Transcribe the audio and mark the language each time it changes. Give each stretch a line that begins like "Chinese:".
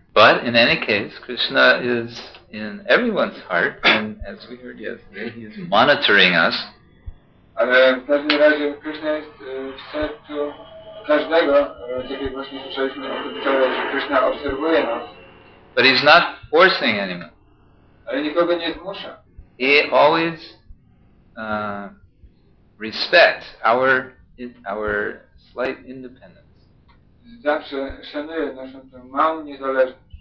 English: But in any case, Krishna is in everyone's heart, and as we heard yesterday, he is monitoring us.
Polish: Ale w każdym razie Krishna jest w sercu każdego, tak jak właśnie słyszeliśmy, że Krishna obserwuje nas.
English: But he's not forcing anyone.
Polish: Ale nikogo nie zmusza.
English: He always respects our slight independence.
Polish: Zawsze szanuje naszą tę małą niezależność.